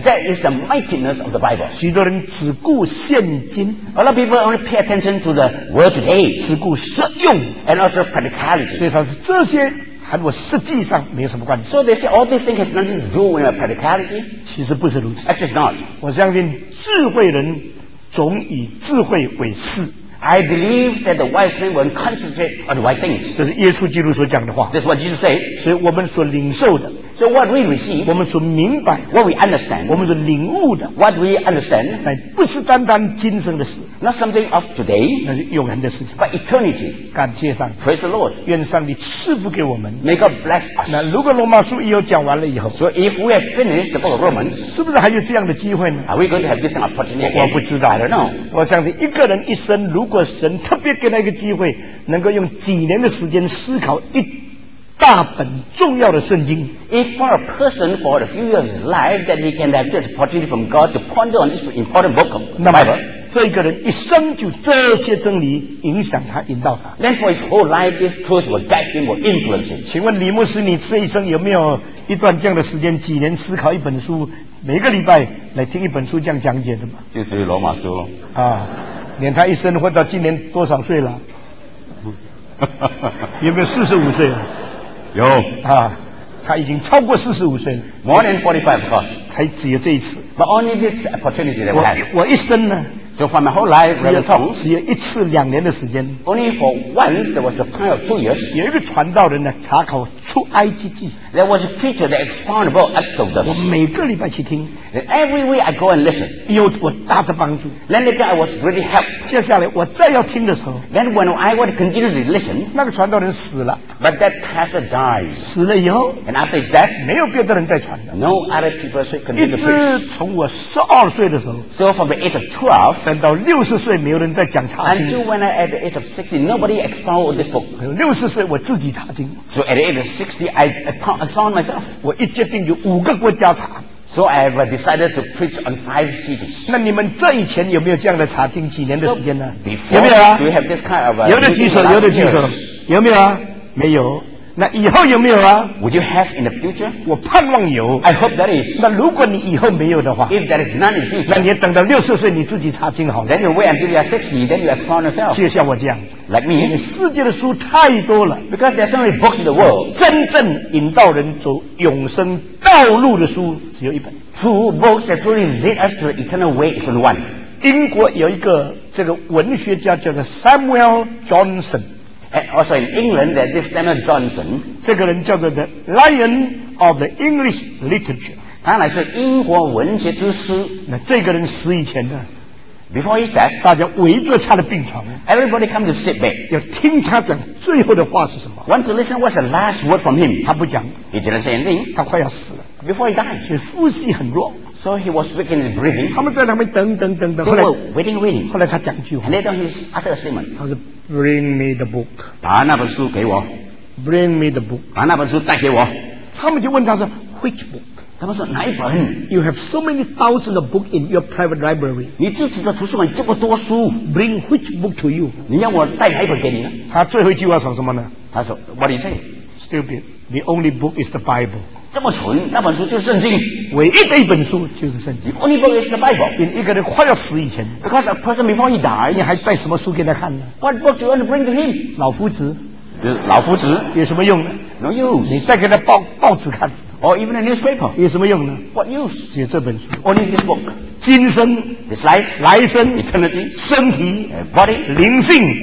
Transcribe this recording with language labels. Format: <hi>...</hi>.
<en>And that is the mightiness of the Bible</en> <zh>许多人只顾现今</zh> <en>A lot of people only pay attention to the world today</en> <zh>只顾实用</zh> <en>And also practicality</en> <zh>所以说这些和我实际上没有什么关系</zh> <en>So they say all these things has nothing to do with our practicality</en> <zh>其实不是如此</zh> <en>Actually not</en> <zh>我相信智慧人总以智慧为事</zh> <en>I believe that the wise men will concentrate on the wise things</en> <zh>这是耶稣基督所讲的话</zh> <en>That's what Jesus said</en> <zh>所以我们所领受的</zh> <en>So what we receive</en> <zh>我们所明白</zh> <en>What we understand</en> <zh>我们所领悟的</zh> <en>What we understand</en> <zh>但不是单单今生的事</zh> <en>Not something of today</en> <zh>那是永恒的事情</zh> <en>But eternity</en> <zh>感谢上帝</zh> <en>Praise the Lord</en> <zh>愿上帝赐福给我们</zh> <en>May God bless us</en> <zh>那如果罗马书一有讲完了以后</zh> <en>So if we have finished the book of Romans</en> <zh>是不是还有这样的机会呢</zh> <en>Are we going to have this opportunity again</en> <zh>我不知道</zh> <en>I don't know</en> <zh>我相信一个人一生如果神特别给他一个机会能够用几年的时间思考一大本重要的圣经</zh> <en>If for a person for a few years of his life that he can have this opportunity from God to ponder on this important book of the Bible</en> <zh>这一个人一生就这些真理影响他引导他</zh> <en>Then for his whole life this truth will guide him or influence him</en> <zh>请问李牧师你这一生有没有一段这样的时间几年思考一本书每个礼拜来听一本书这样讲解的吗就是罗马书啊，连他一生活到今年多少岁了？有没有45岁了？有啊，他已经超过45岁了。</zh> <en>More than 45, of course.</en> <zh>才只有这一次。</zh> <en>But only this opportunity that we have.</en> <zh>我一生呢？</zh> <en>So for my whole life,</en> <zh>只有一次两年的时间。</zh> <en>Only for once, there was a time of 2 years.</en> <zh>有一个传道人呢，查考出埃及记。</zh> <en>There was a preacher that found about Exodus.</en> <zh>我每个礼拜去听。</zh> <en>And every week I go and listen.</en> <zh>有我大的帮助。</zh> <en>Then later I was really helped.</en> <zh>接下来我再要听的时候。</zh> <en>Then when I want to continue to listen.</en> <zh>那个传道人死了。</zh> <en>But that pastor died.</en> <zh>死了以后。</zh> <en>And after his death,</en> <zh>没有别的人再传了。</zh> <en>No other people should continue to preach.</en> <zh>一直从我12岁的时候。</zh> <en>So from the age of 12.</en> <zh>等到60岁，没有人再讲查经。</zh> <en>Until when I at the age of 60, nobody expound this book.</en> <zh>60岁，我自己查经。</zh> <en>So at the age of 60, I expound myself.</en> <zh>我一决定就5个国家查。</zh> <en>So I have decided to preach on 5 cities.</en> <zh>那你们这以前有没有这样的查经？几年的时间呢？</zh> <en>So、before,</en> <zh>有没有啊？</zh> <en>Do you have this kind of a</en> <zh>有的举手，有的举手。有没有啊？没有。那以后有没有啊？</zh> <en>Would you have in the future?</en> <zh>我盼望有。</zh> <en>I hope that is.</en> <zh>那如果你以后没有的话，</zh> <en>If there is none in future,</en> <zh>那你等到60岁你自己查经好了。</zh> <en>Then you wait until you are 60, then you explore yourself.</en> <zh>就像我这样。</zh> <en>Like me.</en> <zh>世界的书太多了。</zh> <en>Because there are so many books in the world.</en> <zh>真正引导人走永生道路的书只有一本。</zh> <en>True books that truly lead us to the eternal way is only one.</en> <zh>英国有一个这个文学家叫做 Samuel Johnson。</zh> <en>And also in England, there's this Samuel Johnson.</en> <zh>这个人叫做</zh> <en>the Lion of the English Literature.</en> <zh>他乃是英国文学之师。那这个人死以前呢？</zh> <en>Before he died,</en> <zh>大家围着他的病床。</zh> <en>Everybody come to sit back.</en> <zh>要听他讲最后的话是什么？</zh> <en>Want to listen what's the last word from him?</en> <zh>他不讲。</zh> <en>He didn't say anything.</en> <zh>他快要死了。</zh> <en>Before he died,</en> <zh>所以呼吸很弱。</zh> <en>So he was weak in his breathing.</en> <zh>他们在那边等。</zh> <en>People waiting.</en> <zh>后来他讲句话。</zh> <en>And later he uttered a statement.</en> <zh>他说。</zh> <en>Bring me the book.</en> <zh>把那本书给我。</zh> <en>Bring me the book.</en> <zh>把那本书带给我。他们就问他说 ，</zh> <en>Which book?</en> <zh>他们说哪一本</zh> <en>？You have so many thousands of books in your private library.</en> <zh>你自己的图书馆这么多书。</zh> <en>Bring which book to you?</en> <zh>你要我带哪一本给你呢？他最后一句话说什么呢？他说 ，</zh> <en>What do you say? Stupid. The only book is the Bible.</en> <zh>这么蠢，那本书就是圣经。唯一的一本书就是圣经。</zh> <en>The only book is the Bible.</en> <zh>你一个人快要死以前。</zh> <en>Because a person before he died,</en> <zh>你还带什么书给他看呢</zh> <en>？What book do you want to bring to him?</en> <zh>老夫子。老夫子有什么用呢</zh> <en>？No use.</en> <zh>你带给他报纸看。</zh> <en>Or even a newspaper.</en> <zh>有什么用呢</zh> <en>？What use?</en> <zh>只有这本书。</zh> <en>Only this book.</en> <zh>今生</zh> <en>，this life，</en> <zh>来生</zh> <en>，eternity，</en> <zh>身体</zh> <en>，body，</en> <zh>灵性</zh>